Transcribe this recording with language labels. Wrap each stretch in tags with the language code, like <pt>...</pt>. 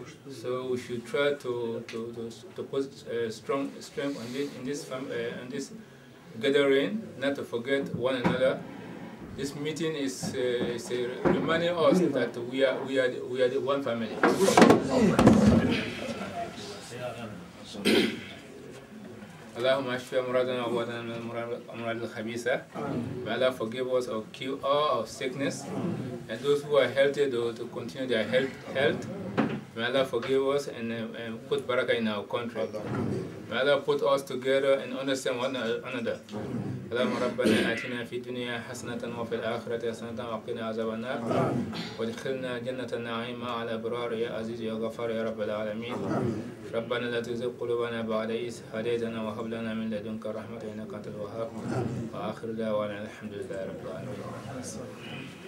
<en>So we should try to put strength on this in this gathering, not to forget one another. This meeting is reminding us that we are the one family.</en> <ar>اللهم اشفي مرضنا وعوضنا من المرض الخبيثة.</ar> <en>May Allah forgive us or cure all our sickness. And those who are healthy, to continue their health. May Allah forgive us and put barakah in our country. May Allah put us together and understand one another.</en> <ar>اللهم ربنا آتنا في الدنيا حسنة وفي الآخرة حسنة وقنا عذاب النار وادخلنا جنة النعيم مع الأبرار يا عزيز يا غفار يا رب العالمين ربنا لا تزغ قلوبنا بعد إذ هديتنا وهب لنا من لدنك الرحمة إنك أنت الوهاب وآخر دعوانا الحمد لله رب العالمين</ar>